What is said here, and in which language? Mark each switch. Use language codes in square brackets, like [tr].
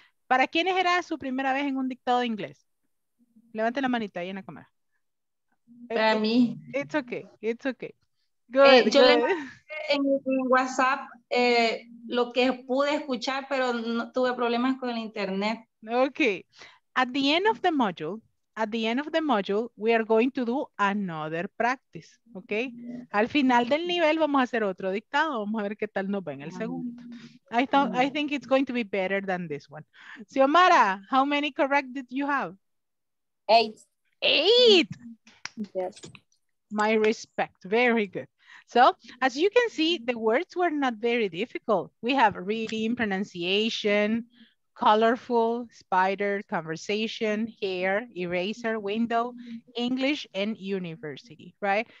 [es] ¿Para quiénes era su primera vez en un dictado de inglés? Levante la manita ahí en la cámara. Para mí. [en] It's okay, it's okay. Good, [es] yo le mandé en WhatsApp lo que pude escuchar, pero no tuve problemas con el internet. [en] Okay. At the end of the module, we are going to do another practice. Okay. Yeah. [es] Al final del nivel vamos a hacer otro dictado. Vamos a ver qué tal nos va en el segundo. [en] I think it's going to be better than this one. Xiomara, how many correct did you have? 8. Yes. My respect. Very good. So, as you can see, the words were not very difficult. We have reading, pronunciation, colorful, spider, conversation, hair, eraser, window, English, and university, right?